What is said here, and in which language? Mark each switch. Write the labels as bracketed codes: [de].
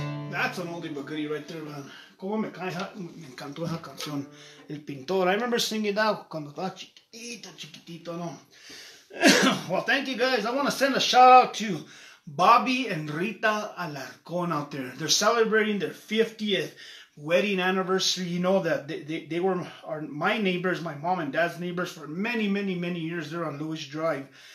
[en] that's an oldie but goodie right there, man. [es] Como me cae, me encantó esa canción, El Pintor. [en] I remember singing that [es] cuando estaba chiquitito, chiquitito, no. [en] Well, thank you guys. I want to send a shout out to Bobby and Rita Alarcón out there. They're celebrating their 50th wedding anniversary. You know that they were are my neighbors, my mom and dad's neighbors for many, many, many years there on Lewis Drive.